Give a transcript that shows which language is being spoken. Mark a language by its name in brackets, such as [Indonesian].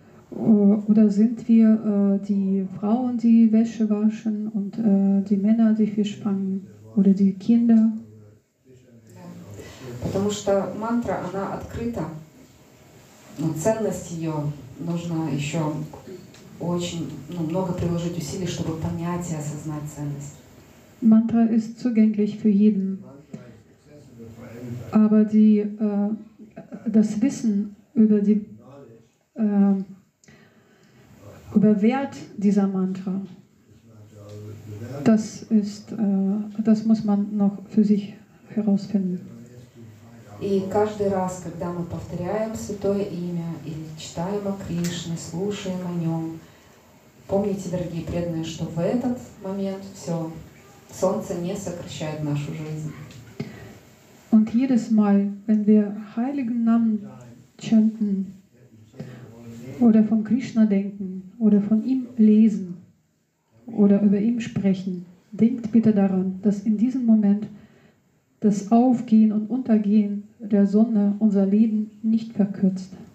[German] Oder sind wir die Frauen, die Wäsche waschen und die Männer, die Fisch fangen oder die Kinder? [Russian] Потому что мантра, она открыта. Но ценность ее нужно еще очень много приложить усилий, чтобы понять и осознать ценность. [German] Мантра ist zugänglich für jeden. Aber die, das Wissen über die über Wert dieser Mantra, das ist, das muss man noch für sich herausfinden. [Russian] И каждый раз, когда мы повторяем святое имя или читаем о Кришне, слушаем о нем, помните, дорогие преданные, что в этот момент все солнце не сокращает нашу жизнь. [German] Und jedes Mal, wenn wir heiligen Namen chanten oder von Krishna denken oder von ihm lesen oder über ihn sprechen, denkt bitte daran, dass in diesem Moment das Aufgehen und Untergehen der Sonne unser Leben nicht verkürzt.